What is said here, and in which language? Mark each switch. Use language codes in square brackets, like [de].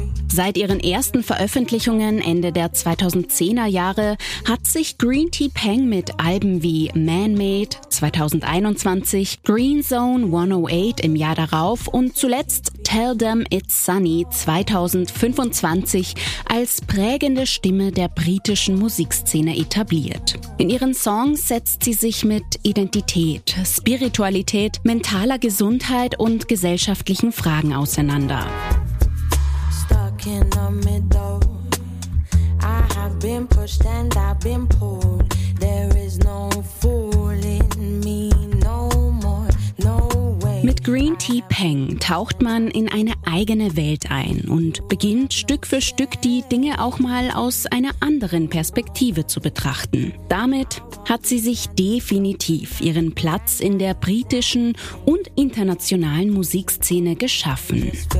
[de] Seit ihren ersten Veröffentlichungen Ende der 2010er Jahre hat sich Green Tea Peng mit Alben wie Man Made 2021, Green Zone 108 im Jahr darauf und zuletzt Tell Them It's Sunny 2025 als prägende Stimme der britischen Musikszene etabliert. In ihren Songs setzt sie sich mit Identität, Spiritualität, mentaler Gesundheit und gesellschaftlichen Fragen auseinander. [en] In the middle, I have been pushed and I've been pulled. There is no fooling me no more, no way. [de] Mit Green Tea Peng taucht man in eine eigene Welt ein und beginnt Stück für Stück die Dinge auch mal aus einer anderen Perspektive zu betrachten. Damit hat sie sich definitiv ihren Platz in der britischen und internationalen Musikszene geschaffen.